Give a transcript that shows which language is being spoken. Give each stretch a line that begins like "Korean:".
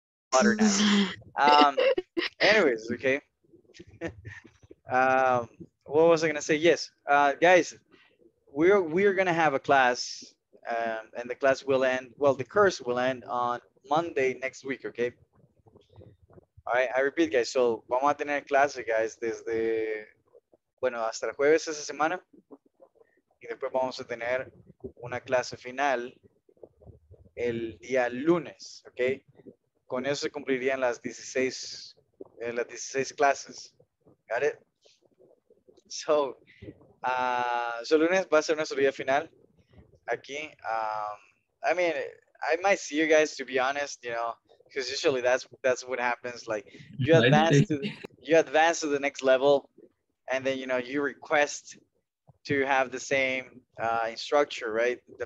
English: Butter knife. Anyways, okay. What was I gonna say? Yes, guys, we're gonna have a class, and the class will end. Well, the course will end on Monday next week. Okay. All right. I repeat, guys.
Spanish: So vamos a tener clases, guys, desde bueno hasta el jueves esa semana, y después vamos a tener una clase final el día lunes. Okay. Con eso se cumplirían las 16 clases.
English: Got it?
Spanish: So, so lunes va a ser nuestro día final aquí.
English: I mean, I might see you guys, to be honest, you know, because usually that's what happens. Like, you advance to the next level, and then, you know, you request to have the same instructor, right?